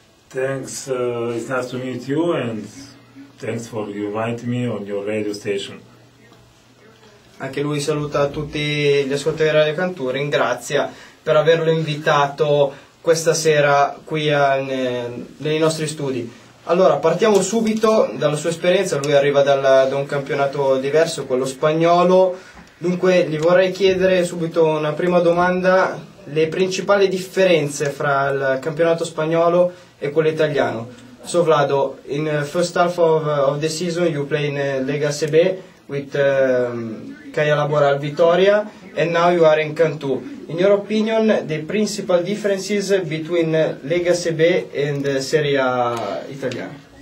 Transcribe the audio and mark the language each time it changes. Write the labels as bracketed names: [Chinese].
[English] Thanks, it's nice to meet you and thanks for inviting me on your radio station. [Italian] Anche lui saluta tutti gli ascoltatori di Radio Canturin, grazie per averlo invitato questa sera qui nei nostri studi. Allora, partiamo subito dalla sua esperienza. Lui arriva da un campionato diverso, quello spagnolo. Dunque, gli vorrei chiedere subito una prima domanda: le principali differenze fra il campionato spagnolo e quello italiano? [English] So, Vlado, in first half of the season you play in Lega CB with Kaya Labora Vitoria, and now you are in Cantù. In your opinion, the principal differences between Lega CB and Serie A Italiana?